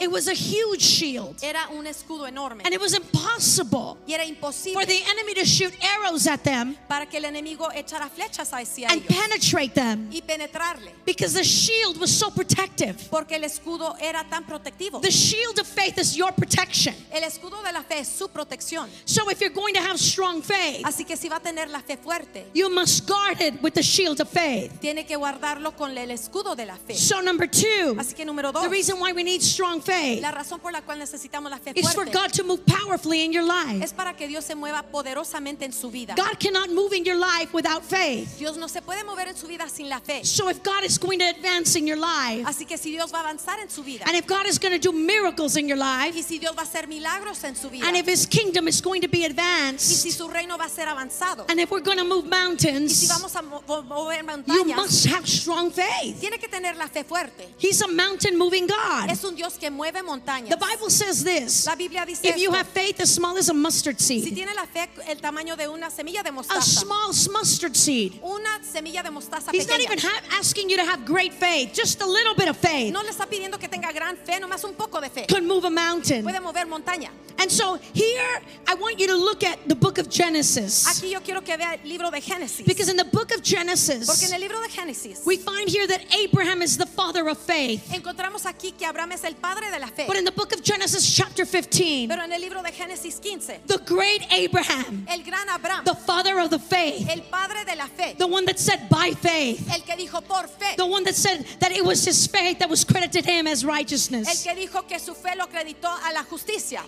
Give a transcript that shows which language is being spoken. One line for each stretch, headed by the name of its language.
English: It was a huge shield.
Spanish: Era un escudo enorme.
English: And it was impossible.
Spanish: Y era imposible.
English: For the enemy to shoot arrows at them.
Spanish: Para que el enemigo echara flechas hacia ellos.
English: And penetrate them.
Spanish: Y penetrarle.
English: Because the shield was so protective.
Spanish: Porque el escudo era tan protectivo.
English: The shield of faith is your protection.
Spanish: El escudo de la fe es su protección.
English: So if you're going to have strong faith.
Spanish: Así que si va a tener la fe fuerte.
English: You must guard it with the shield of faith.
Spanish: Tiene que guardarlo con el escudo de la fe.
English: So number two,
Spanish: así que número dos,
English: the reason why we need strong faith,
Spanish: la razón por la cual necesitamos la fe
English: fuerte, is for God to move powerfully in your life.
Spanish: Es para que Dios se mueva poderosamente en su vida.
English: God cannot move in your life without faith.
Spanish: Dios no se puede mover en su vida sin la fe.
English: So if God is going to advance in your life,
Spanish: así que si Dios va a avanzar en su vida,
English: and if God is going to do miracles in your life,
Spanish: y si Dios va a hacer milagros en su vida,
English: and if His kingdom is going to be advanced,
Spanish: y si su reino va a ser avanzado,
English: and if we're going to move mountains,
Spanish: y si vamos a mover montañas,
English: you must have strong faith.
Spanish: Tiene que tener la fe fuerte.
English: He's a mountain moving God.
Spanish: Es un Dios que mueve montañas.
English: The Bible says this.
Spanish: La Biblia dice,
English: if you have faith as small as a mustard seed.
Spanish: Si tiene la fe el tamaño de una semilla de mostaza.
English: A small mustard seed.
Spanish: Una semilla de mostaza
English: He's
Spanish: pequeña.
English: Not even asking you to have great faith, just a little bit of faith.
Spanish: No le está pidiendo que tenga gran fe, nomás un poco de fe.
English: Can move a mountain.
Spanish: Puede mover montaña.
English: And so here I want you to look at the book of Genesis.
Spanish: Aquí yo quiero que vea el libro de Génesis.
English: Because in the book of Genesis,
Spanish: porque en el libro de Génesis,
English: we find here that Abraham is the father of faith.
Spanish: Encontramos aquí que Abraham es el padre de la fe.
English: But in the book of Genesis chapter 15,
Spanish: pero en el libro de Génesis 15,
English: the great Abraham,
Spanish: el gran Abraham,
English: the father of the faith,
Spanish: el padre de la fe,
English: the one that said by faith,
Spanish: el que dijo por fe,
English: the one that said that it was his faith that was credited to him as righteousness,
Spanish: el que dijo que su fe lo acreditó a la justicia.